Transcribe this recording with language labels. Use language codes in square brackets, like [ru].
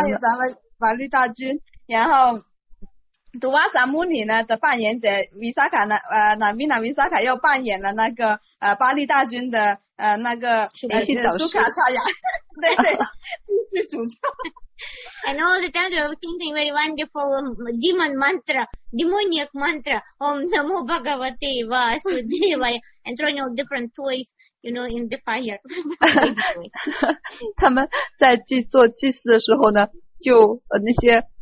[zh] 扮演巴利大军，然后。杜瓦萨穆尼呢的扮演者维萨卡那米娜维萨卡又扮演了那个巴利大军的那个苏卡查亚，对对，继续主唱。 [en] And all the time they were singing very wonderful demon mantra, demonic mantra, Om Namo Bhagavate Vasudevaya, and throwing all different toys, you know, in the fire. [zh] 他们在祭祀的时候呢，就那些。